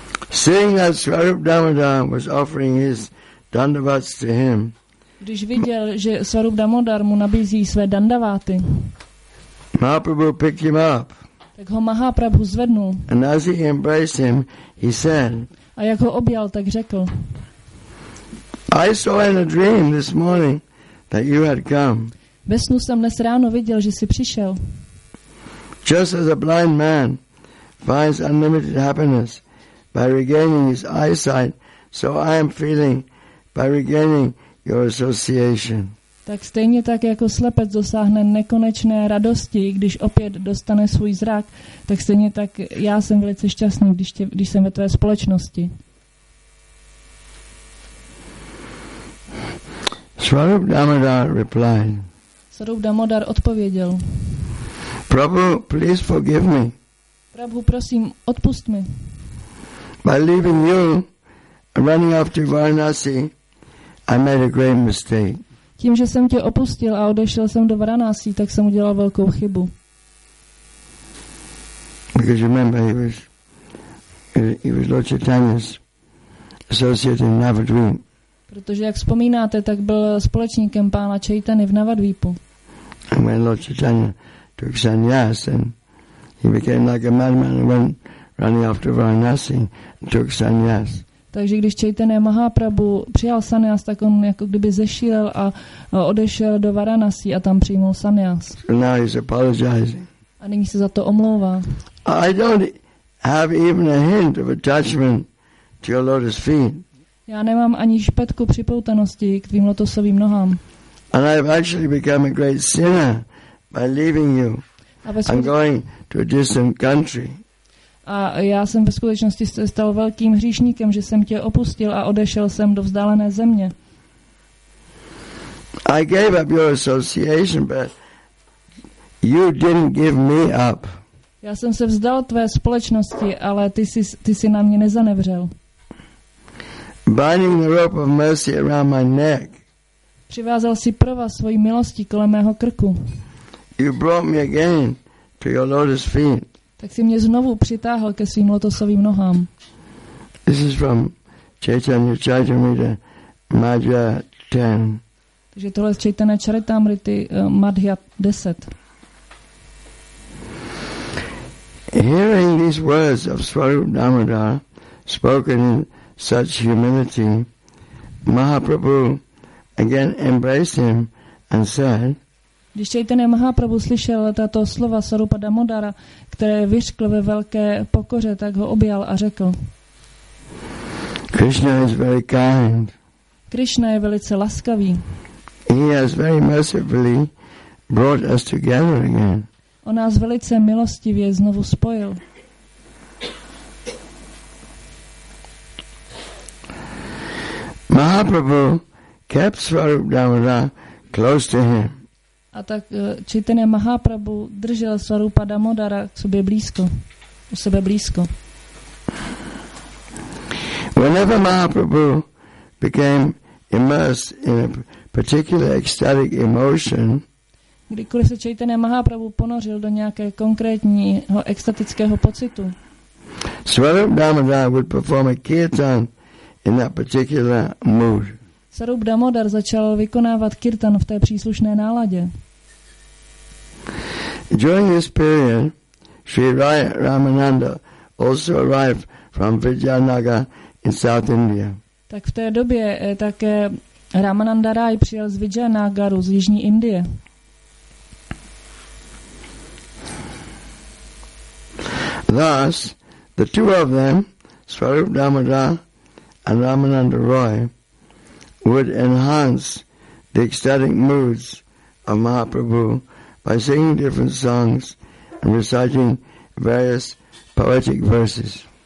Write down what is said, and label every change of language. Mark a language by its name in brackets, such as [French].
[English] Seeing that Swarup Damodar was offering his dandavats to him, [Czech] když viděl, že Swarup Damodar mu nabízí své dandaváty, [English] Mahaprabhu picked him up. [Czech] Tak ho Mahaprabhu zvednul. [English] And as he embraced him, he said, [Czech] a jak ho objal, tak řekl, [English] I saw in a dream this morning that you had come. [Czech] Ve snu jsem dnes ráno viděl, že jsi přišel. [English] Just as a blind man finds unlimited happiness by regaining his eyesight, so I am feeling by regaining your association. [Czech] Tak stejně tak, jako slepec dosáhne nekonečné radosti, když opět dostane svůj zrak, tak stejně tak já jsem velice šťastný, když jsem ve tvé společnosti. [English] Swarup Damodar replied. [Czech] Swarup Damodar odpověděl. [English] Prabhu, please forgive me. [Czech] Prabhu, prosím, odpust mi. [English] By leaving you and running after Varanasi, I made a great mistake. [Czech] Tím, že jsem tě opustil a odešel jsem do Varanasi, tak jsem udělal velkou chybu. [English] Because remember, he was Lord Chaitanya's associate in Navadvip. [Czech] Protože jak vzpomínáte, tak byl společníkem pána Chaitany v Navadvipu. [English] And when Lord Chaitanya took sannyas, and he became like a madman and went running after Varanasi, took sannyas. [Czech] Takže když Chaitanya Mahaprabhu přijal sannyas, tak on jako kdyby zešílel a odešel do Varanasi a tam přijmul sannyas. [English] Now he's apologizing. [Czech] A nyní se za to omlouvá. [English] I don't have even a hint of attachment to your lotus feet. [Czech] Já nemám ani špetku připoutanosti k tvým lotosovým nohám. [English] And I've actually become a great sinner by leaving you. I'm going to a distant country. [Czech] A já jsem ve skutečnosti stal velkým hříšníkem, že jsem tě opustil a odešel jsem do vzdálené země. [English] I gave up your association, but you didn't give me up. [Czech] Já jsem se vzdal tvé společnosti, ale ty jsi na mě nezanevřel. [English] Binding the rope of mercy around my neck. [Czech] Přivázal jsi provaz svojí milosti kolem mého krku. [English] You brought me again to your lotus feet. [Czech] Tak si mě znovu přitáhl ke svým lotosovým nohám. [English] This is from Chaitanya Charitamrita, Madhya 10. [Czech] Takže tohle je Chaitanya Charitamrity, Madhya 10. [English] Hearing these words of Swarup Damodar spoken in such humility, Mahaprabhu again embraced him and said, [Czech] když Chaitanya Mahaprabhu slyšel tato slova Swarupa Damodara, které vyřkl ve velké pokoře, tak ho objal a řekl. [English] Krishna is very kind. [Czech] Krishna je velice laskavý. [English] He has very mercifully brought us together again. [Czech] On nás velice milostivě znovu spojil. [English] Mahaprabhu kept Swarup Damodara close to him. [Czech] A tak Chaitanya Mahaprabhu držel Swarupa Damodara k sobě blízko, u sebe blízko. [English] Whenever Mahaprabhu became immersed in a particular ecstatic emotion, [Czech] kdykoliv se Chaitanya Mahaprabhu ponořil do nějaké konkrétního extatického pocitu, [English] Swarup Damodara would perform a kirtan in that particular mood. [Czech] Swarup Damodar začal vykonávat kirtan v té příslušné náladě. [English] During this period, Sri Ramananda also arrived from Vijayanagara in South India. [Czech] Tak v té době také Ramananda Rai přijel z Vijayanagaru z jižní Indie. [English] Thus, the two of them, Swarup Damodar and Ramananda Rai, would enhance the ecstatic moods of Mahaprabhu by singing different songs and reciting various poetic verses.